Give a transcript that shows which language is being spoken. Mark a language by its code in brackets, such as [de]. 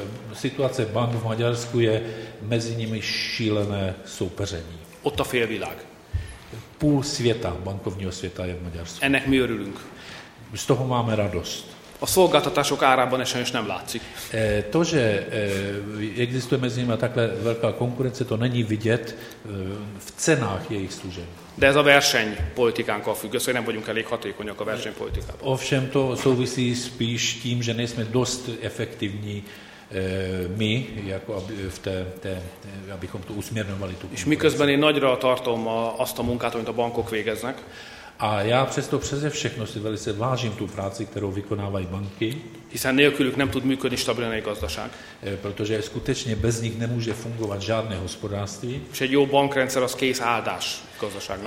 [cs] A situace bank v Maďarsku je mezi nimi šílené soupeření. [hu] Ott a félvilág. [cs] Půl světa, bankovního světa je v Maďarsku. [hu] Ennek mi örülünk. [cs] z toho máme radost. [hu] A szolgáltatások árában ez sajnos nem látszik. [cs] To, že existuje mezi nimi takhle velká konkurence, to není vidět v cenách jejich služeb. [hu] De ez a versenypolitikánkkal függ össze, hogy nem vagyunk elég hatékonyak a versenypolitikában. [cs] Ovšem, to souvisí spíš tím, že nejsme dost efektivní mi, jako abychom to usměrnovali. [hu] És miközben én nagyra tartom azt a munkát, amit a bankok végeznek. [cs] A já přesto přeze všechno si velice vážím tu práci, kterou vykonávají banky. [hu] Hiszen nélkülük nem tud működni stabilan egy gazdaság. [cs] Protože skutečně bez nich nemůže fungovat žádné hospodářství. [hu] És egy jó bankrendszer az kész áldás gazdaságnak.